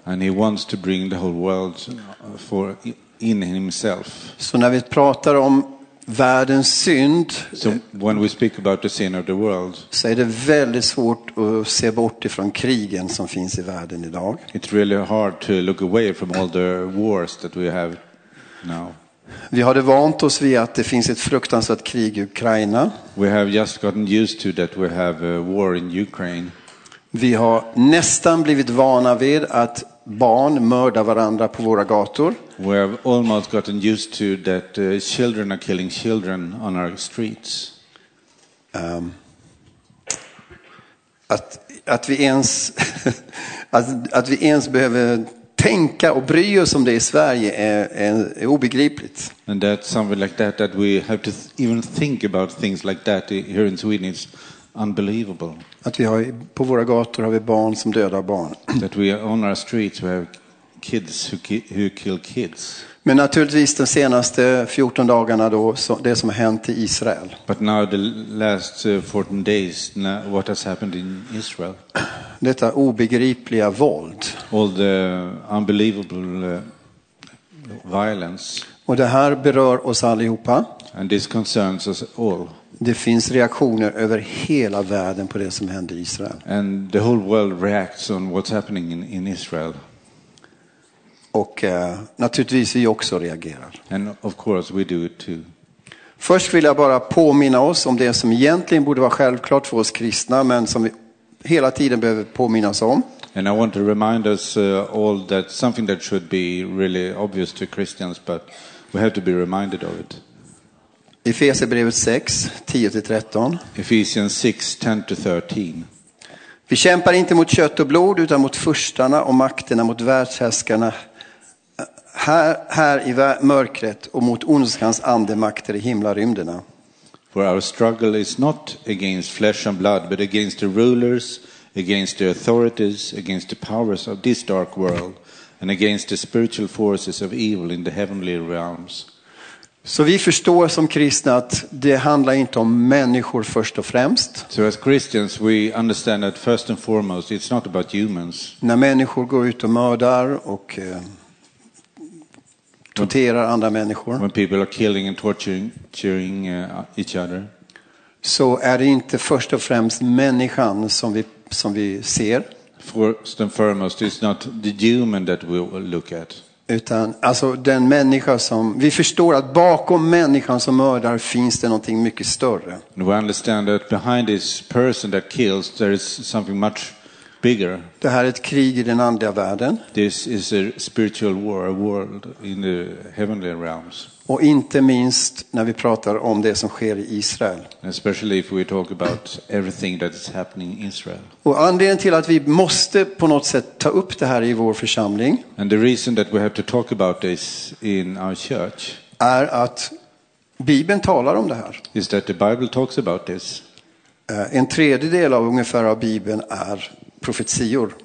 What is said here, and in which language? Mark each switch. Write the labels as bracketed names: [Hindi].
[English] And he wants to bring the whole world for in himself. [Swedish] Så när vi pratar om världens synd, [English] so when we speak about the sin of the world, [Swedish] så är det väldigt svårt att se bort ifrån krigen som finns I världen idag. [English] It's really hard to look away from all the wars that we have now. [Swedish] Vi hade vant oss vid att det finns ett fruktansvärt krig I Ukraina. [English] We have just gotten used to that we have a war in Ukraine. [Swedish] Vi har nästan blivit vana vid att barn mördar varandra på våra gator. [English] We have almost gotten used to that children are killing children on our streets. [Swedish] Att vi ens behöver tänka och bry oss om det I Sverige är obegripligt. [English] And that something like that we have to even think about things like that here in Sweden is unbelievable. [Swedish] Att vi har på våra gator har vi barn som dödar barn. [English] That we on our streets we have kids who kill kids. [Swedish] Men naturligtvis de senaste 14 dagarna då det som har hänt I Israel. [English] But now the last 14 days what has happened in Israel. [Swedish] Detta obegripliga våld. [English] All the unbelievable violence. [Swedish] Och det här berör oss allihopa. [English] And this concerns us all. [Swedish] Det finns reaktioner över hela världen på det som händer I Israel. [English] And the whole world reacts on what's happening in Israel. [Swedish] Och naturligtvis vi också reagerar. [English] And of course we do it too. [Swedish] Först vill jag bara påminna oss om det som egentligen borde vara självklart för oss kristna men som vi hela tiden behöver påminnas om. [English] And I want to remind us all that something that should be really obvious to Christians but we have to be reminded of it. [Swedish] Efesierbrevet 6:10-13. [English] Ephesians 6:10-13. [Swedish] Vi kämpar inte mot kött och blod utan mot furstarna och makterna mot världshärskarna här I mörkret och mot ondskans andemakter I himlarymderna. [English] For our struggle is not against flesh and blood, but against the rulers, against the authorities, against the powers of this dark world, and against the spiritual forces of evil in the heavenly realms. [Swedish] Så vi förstår som kristna att det handlar inte om människor först och främst. [English] So as Christians we understand that first and foremost it's not about humans. [Swedish] När människor går ut och mördar och torterar andra människor. [English] When people are killing and torturing each other. [Swedish] Så är det inte först och främst människan som vi ser. [English] First and foremost it's not the human that we look at. [Swedish] Utan alltså den människa som vi förstår att bakom människan som mördar finns det någonting mycket större. [English] We understand that behind this person that kills there is something much bigger. [Swedish] Det här är ett krig i den andliga världen. [English] This is a spiritual war, a world in the heavenly realms. [Swedish] Och inte minst när vi pratar om det som sker i Israel. [English] Especially if we talk about everything that is happening in Israel. [Swedish] Och anledningen till att vi måste på något sätt ta upp det här i vår församling. [English] And the reason that we have to talk about this in our church. [Swedish] Är att Bibeln talar om det här. [English] Is that the Bible talks about this. [Swedish] En tredjedel av ungefär av Bibeln är profetior.